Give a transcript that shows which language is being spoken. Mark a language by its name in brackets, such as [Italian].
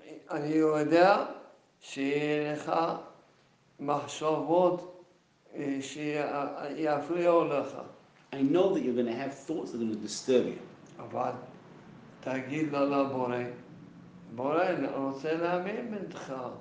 [Hebrew] אני יודע שיהיה לך מחשבות שיפריעו לך. [English] I know that you're going to have thoughts that are going to disturb you. [Hebrew] אבל תגיד לו לבורא, בורא, אני רוצה להאמין בך.